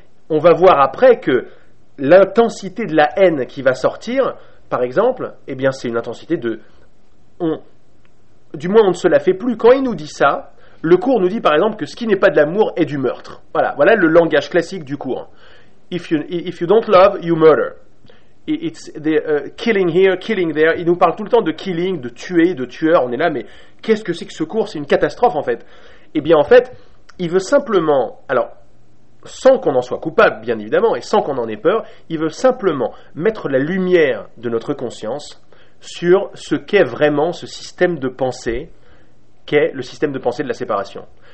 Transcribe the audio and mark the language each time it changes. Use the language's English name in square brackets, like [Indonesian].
[French] On va voir après que l'intensité de la haine qui va sortir, par exemple, eh bien c'est une intensité de... on ne se la fait plus. Quand il nous dit ça, le cours nous dit par exemple que ce qui n'est pas de l'amour est du meurtre. Voilà, voilà le langage classique du cours. [English] If you don't love, you murder. It's the killing here, killing there. [French] Il nous parle tout le temps de killing, de tuer, de tueur. On est là, mais qu'est-ce que c'est que ce cours? C'est une catastrophe en fait. Eh bien en fait, il veut simplement, alors sans qu'on en soit coupable bien évidemment et sans qu'on en ait peur, il veut simplement mettre la lumière de notre conscience sur ce qu'est vraiment ce système de pensée qu'est le système de pensée de la séparation.